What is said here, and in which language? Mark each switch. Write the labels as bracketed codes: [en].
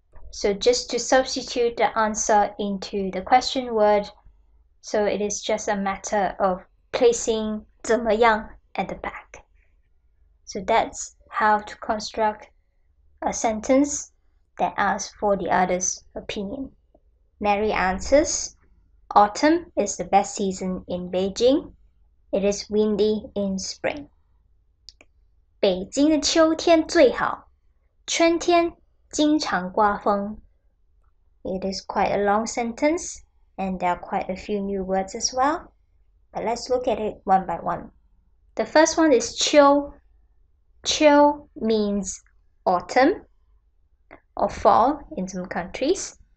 [en] So just to substitute the answer into the question word, so it is just a matter of placing 怎么样 at the back. So that's how to construct a sentence that asks for the other's opinion. Mary answers, autumn is the best season in Beijing. It is windy in spring. [zh] 北京的秋天最好，春天经常刮风。 [en] It is quite a long sentence, and there are quite a few new words as well. But let's look at it one by one. The first one is 秋.秋 means autumn or fall in some countries.